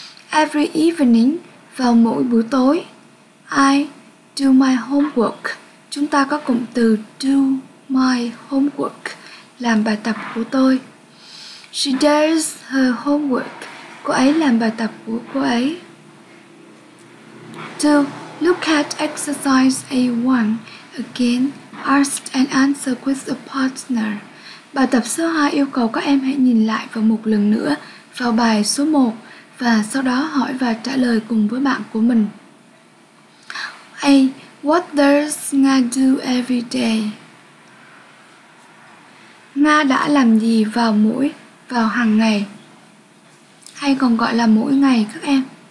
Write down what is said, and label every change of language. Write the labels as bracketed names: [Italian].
[English] Every evening, [Vietnamese] vào mỗi buổi tối. [English] I do my homework. [Vietnamese] Chúng ta có cụm từ [English] do my homework, [Vietnamese] làm bài tập của tôi. [English] She does her homework. [Vietnamese] Cô ấy làm bài tập của cô ấy. [English] To look at exercise A1 again, ask and answer with a partner. [Vietnamese] Bài tập số 2 yêu cầu các em hãy nhìn lại vào một lần nữa vào bài số 1 và sau đó hỏi và trả lời cùng với bạn của mình. [English] A, what does Nga do every day? [Vietnamese] Nga đã làm gì vào hàng ngày, hay còn gọi là mỗi ngày các em.